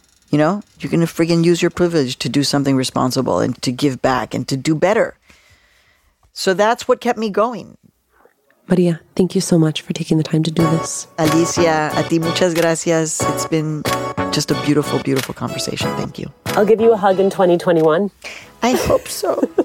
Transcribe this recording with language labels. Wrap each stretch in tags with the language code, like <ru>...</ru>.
<en>You're going to friggin' use your privilege to do something responsible and to give back and to do better. So that's what kept me going. Maria, thank you so much for taking the time to do this.</en> <es>Alicia, a ti muchas gracias.</es> <en>It's been just a beautiful, beautiful conversation. Thank you. I'll give you a hug in 2021. I hope so.</en>